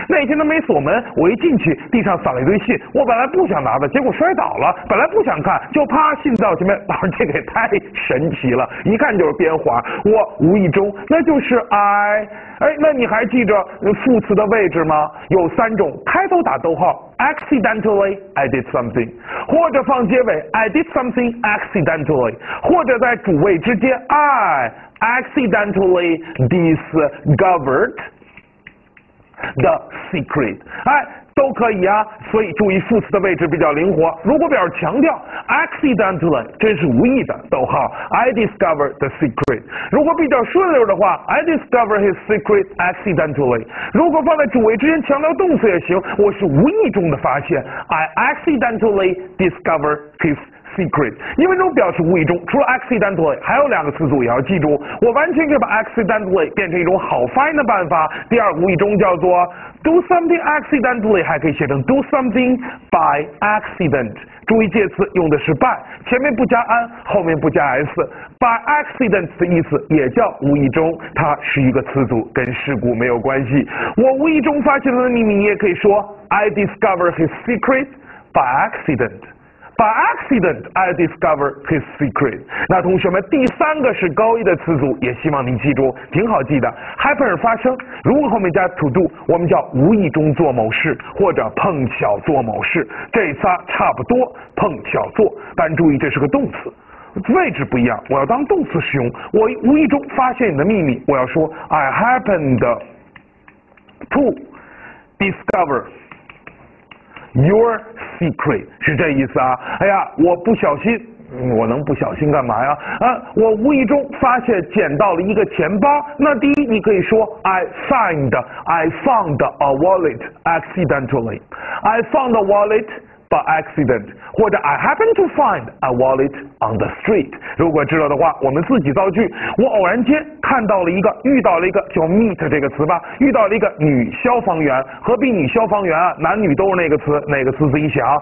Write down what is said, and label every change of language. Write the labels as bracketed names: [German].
[Chinese] 那天他没锁门，我一进去，地上撒了一堆信，我本来不想拿的，结果摔倒了，本来不想看，就啪信到前面，老师，这个太神奇了，一看就是编谎，我无意中。那就是 I， 哎，那你还记着副词的位置吗？有三种，开头打逗号 ， [English] accidentally I did something， [Chinese] 或者放结尾 [English] I did something accidentally， [Chinese] 或者在主谓之间 [English] I accidentally discovered the secret， [Chinese] 哎，都可以啊。所以注意副词的位置比较灵活。如果表示强调 ，accidentally 真是无意的，逗号 ， [English] I discovered the secret。 [Chinese] 如果比较顺溜的话 [English] ，I discovered his secret accidentally。 [Chinese] 如果放在主谓之间强调动词也行，我是无意中的发现 ， [English] I accidentally discover his secret。 [Chinese] 因为这种表示无意中，除了 accidentally， 还有两个词组也要记住。我完全可以把 accidentally 变成一种好发音的办法。第二，无意中叫做。 [English] Do something accidentally [Chinese] 还可以写成 [English] do something by accident。 [Chinese] 注意介词用的是 by， 前面不加 an， 后面不加 s， by accident 的意思也叫无意中，它是一个词组，跟事故没有关系。我无意中发现他的秘密，你也可以说 [English] I discovered his secret by accident。 By accident, I discovered his secret。 [Chinese] 那同学们，第三个是高一的词组，也希望您记住，挺好记的。 happen 发生，如果后面加 to do， 我们叫无意中做某事，或者碰巧做某事，这仨差不多，碰巧做。但注意这是个动词，位置不一样，我要当动词使用。我无意中发现你的秘密，我要说 [English] I happened to discover Your secret [Chinese] 是这意思啊？哎呀，我不小心，我能不小心干嘛呀？啊，我无意中发现捡到了一个钱包。那第一，你可以说 [English] I found a wallet accidentally. I found a wallet by accident. [Chinese] 或者 [English] I happen to find a wallet on the street. [Chinese] 如果知道的话，我们自己造句。我偶然间看到了一个，遇到了一个，就 meet 这个词吧，遇到了一个女消防员。何必女消防员啊？男女都是那个词，哪个词自己想。